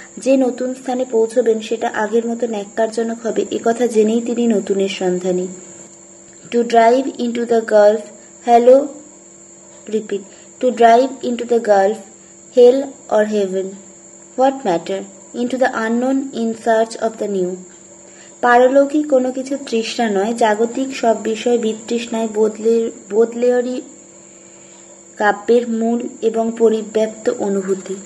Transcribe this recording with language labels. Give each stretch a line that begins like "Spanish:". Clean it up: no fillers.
Bangla: যে নতুন স্থানে পৌঁছবেন সেটা আগের মতো ন্যাক্কারজনক হবে, একথা জেনেই তিনি নতুনের সন্ধানী।
English: To drive into the gulf hello repeat to drive into the gulf Hell or heaven, what matter? Into the unknown in search of the new.
Bangla: পারলৌকিক কোনো কিছু তৃষ্ণা নয়, জাগতিক সব বিষয় বিতৃষ্ণায় বোদলেয়ারি কাব্যের মূল এবং পরিব্যাপ্ত অনুভূতি।